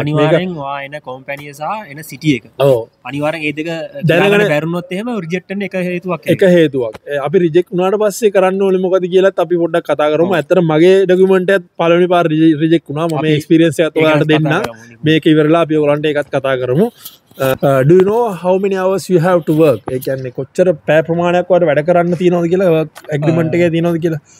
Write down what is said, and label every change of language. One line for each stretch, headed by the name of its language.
Sinhala: අනිවාර්යෙන් වා එන කම්පැනි සහ එන සිටි එක. ඔව්. අනිවාර්යෙන් මේ දෙක දැනගන්න බැරුණොත් එහෙම රිජෙක්ට් වෙන එක හේතුවක් ඒක. එක හේතුවක්. අපි රිජෙක්ට් වුණාට පස්සේ කරන්න ඕනේ මොකද කියලාත් අපි පොඩ්ඩක් කතා කරමු. ඇත්තට මගේ ඩොකියුමන්ට් එකත් පළවෙනි පාර රිජෙක්ට් වුණා. මම මේ එක්ස්පීරියන්ස් එකත් ඔයාලට දෙන්න. මේක ඉවරලා අපි ඔයාලන්ට ඒකත් කතා කරමු.
English: Do you know how many hours you have to work?
Sinhala: ඒ කියන්නේ කොච්චර පැය ප්‍රමාණයක් වට වැඩ කරන්න තියෙනවද කියලා වර්ක් ඇග්‍රීමන්ට් එකේ තියෙනවද කියලා?